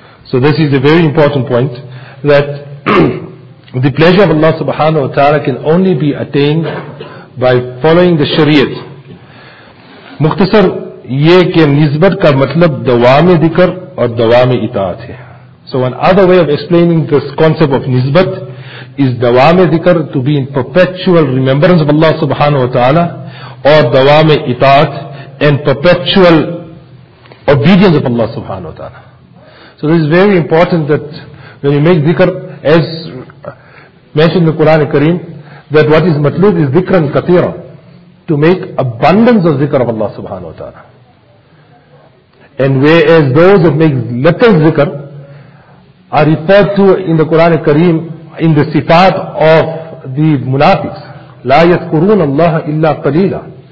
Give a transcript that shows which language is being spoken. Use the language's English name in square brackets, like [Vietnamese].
[English] So this is a very important point, that the pleasure of Allah subhanahu wa ta'ala can only be attained by following the shariat. [Urdu] مختصر یہ کہ نسبت کا مطلب دوام ذکر اور دوام اطاعت ہے. [English] So another way of explaining this concept of nisbat is dawam-e-dhikr, to be in perpetual remembrance of Allah subhanahu wa ta'ala, or dawam-e-itaat, and perpetual obedience of Allah subhanahu wa ta'ala. So this is very important, that when you make dhikr, as mentioned in the Quran Kareem, that what is matlood is dhikran kathira, to make abundance of dhikr of Allah subhanahu wa ta'ala. And whereas those that make little dhikr are referred to in the Quran Kareem in the sifat of the munafiqs. [Arabic] لا يذكرون الله إلا قليلا.